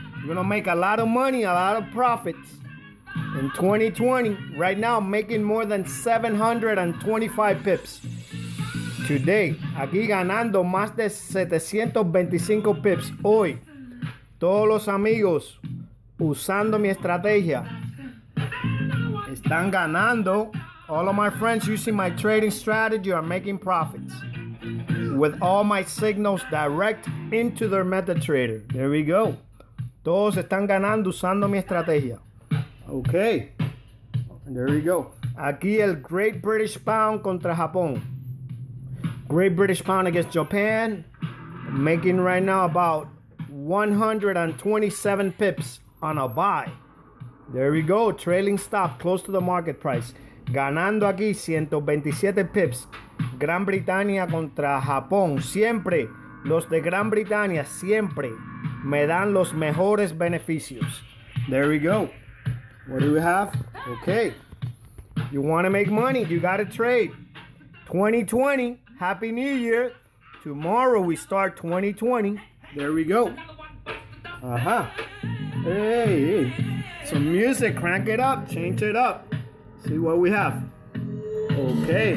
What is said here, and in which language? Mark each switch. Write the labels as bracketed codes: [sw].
[en] We're gonna make a lot of money, a lot of profits. In 2020, right now, making more than 725 pips. [es] Today, aquí ganando más de 725 pips. Hoy, todos los amigos usando mi estrategia están ganando. [en] All of my friends using my trading strategy are making profits with all my signals direct into their MetaTrader. There we go. [es] Todos están ganando usando mi estrategia. [en] Okay. There we go. [es] Aquí el Great British Pound contra Japón. [en] Great British Pound against Japan, making right now about 127 pips on a buy. There we go, trailing stop close to the market price. [es] Ganando aquí 127 pips. Gran Bretaña contra Japón. Siempre los de Gran Bretaña siempre me dan los mejores beneficios. [en] There we go. What do we have? Okay. You want to make money, you got to trade. 2020. Happy New Year. Tomorrow we start 2020. There we go. Uh-huh. Hey, hey. Some music. Crank it up. Change it up. See what we have. Okay.